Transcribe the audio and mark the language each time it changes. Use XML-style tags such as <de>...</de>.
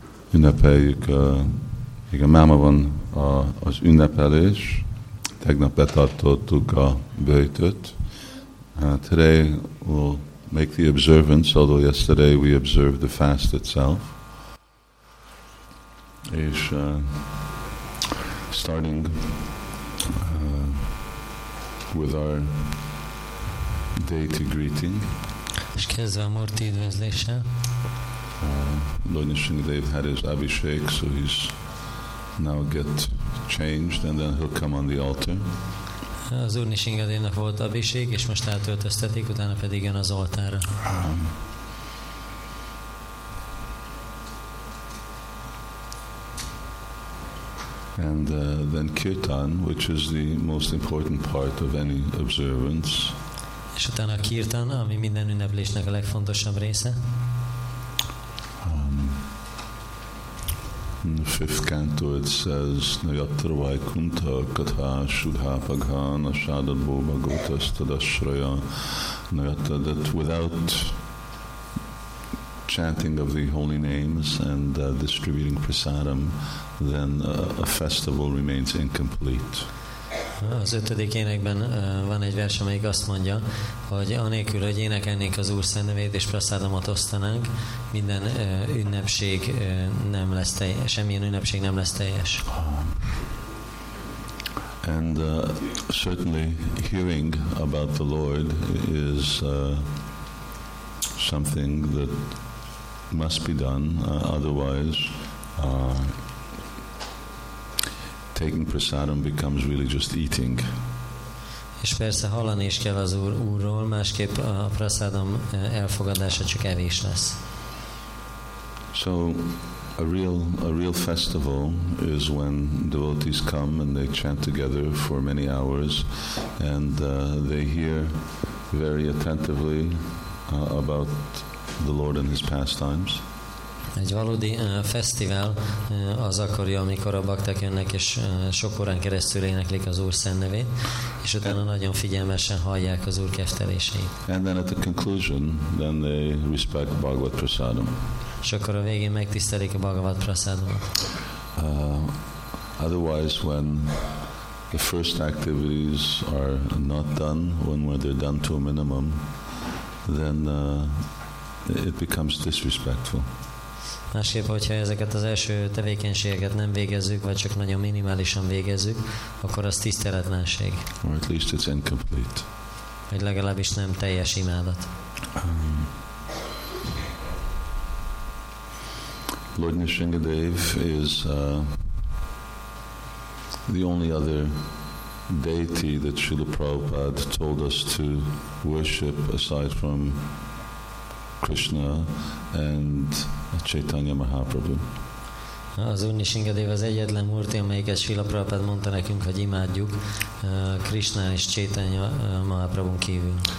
<hu>Ünnepeljük, igen, máma van az ünnepelés. Tegnap betartottuk a böjtöt.</hu> <en>Today we'll make the observance, although yesterday we observed the fast itself.</en> <hu>És</hu> <en>starting with our deity greeting.</en> <hu>És kezdve a Murti üdvözlése.</hu> <en>Lord Nishingadev had his abhishek, so he's now get changed, and then he'll come on the altar.</en> <hu>Az Úr Nishingadevnak volt abhishek, és most átöltöztetik, utána pedig jön az altára.</hu> <en>And then kirtan, which is the most important part of any observance.</en> <hu>És utána a kirtan, ami minden ünneplésnek a legfontosabb része.</hu> <en>In the fifth canto it says</en> <sa>Nayatra Vaikuntha Katha Shudha Pagha Nashadad Boba Gotas Tadashraya Nayatra,</sa> <en>that without chanting of the holy names and distributing prasadam, then a festival remains incomplete.</en> <hu>Az ötödik énekben van egy vers, amelyik azt mondja, hogy anélkül, hogy énekelnénk az Úr Szent Nevét és prasadamot osztanánk, minden ünnepség nem lesz teljes, semmilyen ünnepség nem lesz teljes.</hu> <en>And certainly hearing about the Lord is something that must be done, otherwise taking prasadam becomes really just eating.</en> <hu>És persze hallani is kell az Úrról, másképp a prasadam elfogadása csak evés lesz.</hu> <en>So a real festival is when devotees come and they chant together for many hours and they hear very attentively about the Lord and his pastimes.</en> <hu>Egy valódi fesztivál az akkor, amikor a bakták jönnek, és sok órán keresztül éneklik az Úr Szent Nevét, és utána nagyon figyelmesen hallják az Úr kefteléseit.</hu> <en>And then at the conclusion, then they respect Bhagavat Prasadam.</en> <hu>És akkor a végén megtisztelik a Bhagavat Prasadamot.</hu> <en>Otherwise, when the first activities are not done, when they're done to a minimum, then it becomes disrespectful.</en> <hu>Másképp, hogyha ezeket az első tevékenységeket nem végezzük, vagy csak nagyon minimálisan végezzük, akkor az tiszteletlenség.</hu> <en>Or at least it's incomplete.</en> <hu>Vagy legalábbis nem teljes imádat.</hu> <en>Lord Nishingadev is the only other deity that Srila Prabhupada told us to worship aside from Krishna and Chaitanya Mahaprabhu.</en> <hu>Az Úr Nishingadev az egyetlen murti, amelyiket Srila Prabhupada mondta nekünk, hogy imádjuk Krishna és Chaitanya Mahaprabhu kívül.</hu>